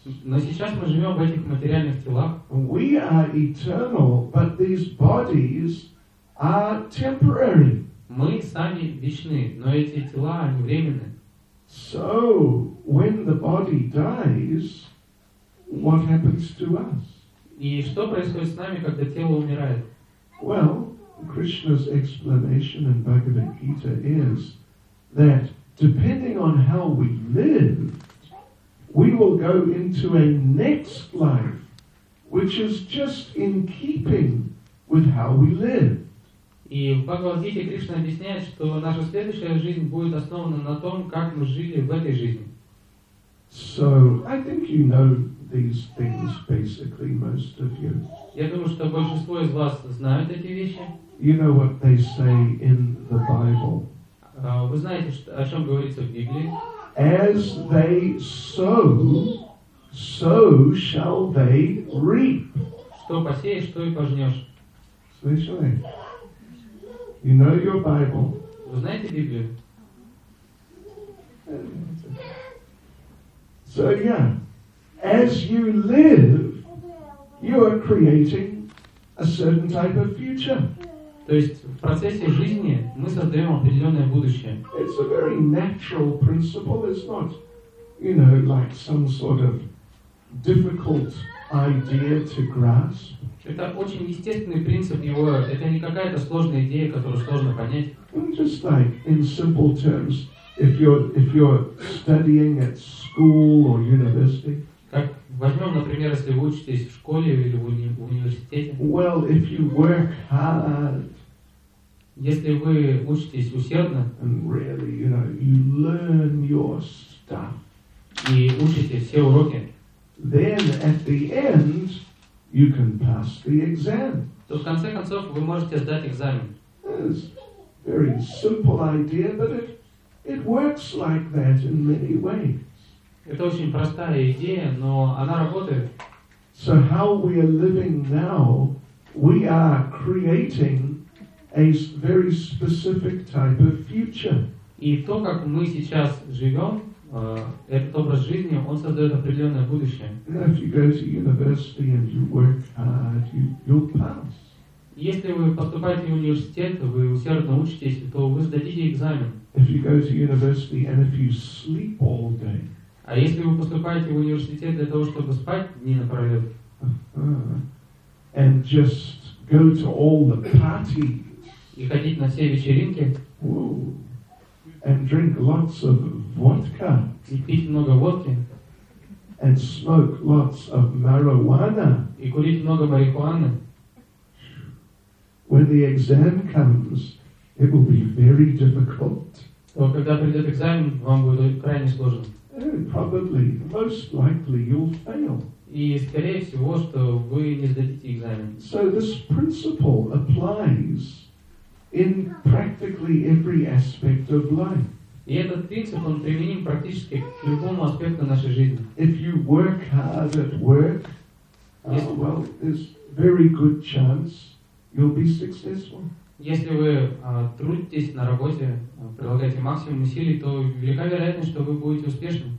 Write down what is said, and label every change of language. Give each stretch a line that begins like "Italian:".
Russian: Но сейчас мы живем в этих материальных телах.
English: We are eternal, but these bodies are temporary.
Russian: Мы сами вечны, но эти тела, они временны.
English: So, when the body dies, what happens to us?
Russian: И что происходит с нами, когда тело умирает?
English: Well, Krishna's explanation in Bhagavad Gita is that depending on how we live, we will go into a next life, which is just in keeping with how we live.
Russian: И в Бхагавад-гите Кришна объясняет, что наша следующая жизнь будет основана на том, как мы жили в этой жизни.
English: So, I think you know these things basically, most of you.
Russian: Я думаю, что большинство из вас знают эти вещи.
English: You know what they say in the Bible.
Russian: Вы знаете, что, о чем говорится в Библии?
English: As they sow, so shall they reap.
Russian: Что посеешь, то и пожнешь. Слышали?
English: You know your Bible.
Russian: Вы знаете Библию?
English: So yeah, as you live, you are creating a certain type of future.
Russian: То есть в процессе жизни мы создаем определенное будущее.
English: It's a very natural principle. It's not, you know, like some sort of difficult idea to grasp.
Russian: Это очень естественный принцип его. Это не какая-то сложная идея, которую сложно понять.
English: Just like in simple terms, if you're studying at school or university.
Russian: Как возьмем, например, если вы учитесь в школе или в университете.
English: Well, if you work hard.
Russian: Если вы учитесь усердно.
English: And really, you know, you learn your stuff.
Russian: И учите все уроки.
English: Then at the end, you can pass the exam.
Russian: То в конце концов вы можете сдать экзамен.
English: It's a very simple idea, but it works like that in many ways.
Russian: Это очень простая идея, но она работает.
English: So how we are living now, we are creating a very specific type of future.
Russian: И то, как мы сейчас живем, этот образ жизни, он создает определенное будущее.
English: If you go to university and you work hard, you'll pass.
Russian: Если вы поступаете в университет, вы усердно учитесь, то вы сдадите экзамен.
English: If you go to university and if you sleep all day.
Russian: А если вы поступаете в университет для того, чтобы спать дни напролет,
English: and just go to all the parties.
Russian: И ходить на все вечеринки.
English: And drink lots of vodka.
Russian: И пить много водки.
English: And smoke lots of marijuana.
Russian: И курить много марихуаны.
English: When the exam comes, it will be very difficult.
Russian: То, когда придет экзамен, вам будет крайне сложно.
English: Probably, most likely, you'll fail.
Russian: И скорее всего, что вы не сдадите экзамен.
English: So this principle applies in practically every aspect of life.
Russian: И этот принцип он применим практически к любому аспекту нашей жизни.
English: If you work hard at work, well, there's very good chance you'll be successful.
Russian: Если вы трудитесь на работе, прилагаете максимум усилий, то велика вероятность, что вы будете успешны.